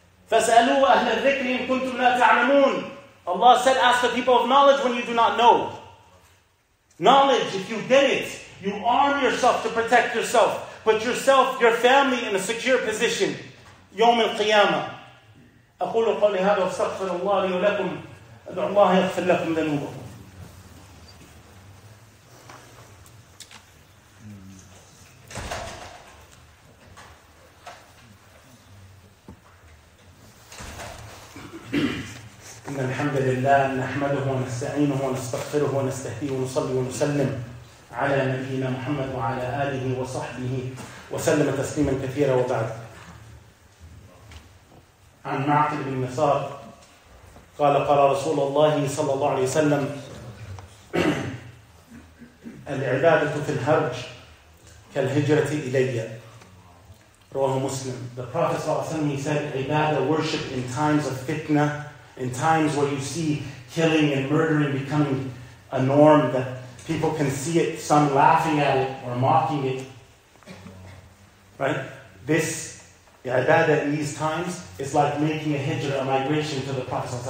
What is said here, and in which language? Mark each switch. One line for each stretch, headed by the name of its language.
Arabic: فَاسْأَلُوا أَهْلَ الذِّكْرِ إِن كُنْتُمْ لَا تَعْلَمُونَ.
English: Allah said, ask the people of knowledge when you do not know. Knowledge, if you get it, you arm yourself to protect yourself. Put yourself, your family in a secure position.
Arabic: يوم القيامة. أقول قولي هذا وأستغفر الله لي ولكم. أدعو الله يغفر لكم ذنوبكم. إن الحمد لله نحمده ونستعينه ونستغفره ونستهديه ونصلي ونسلم على نبينا محمد وعلى آله وصحبه وسلم تسليما كثيرا وبعد. عن معقل بن مسار قال قال رسول الله صلى الله عليه وسلم العبادة في الحج كالهجرة إلي. رواه مسلم.
English: The Prophet
Arabic: صلى الله عليه وسلم
English: said عبادة worship in times of fitna, in times where you see killing and murdering becoming a norm, that people can see it, some laughing at it or mocking it. Right? This ibadah in these times is like making a hijrah, a migration to the Prophet.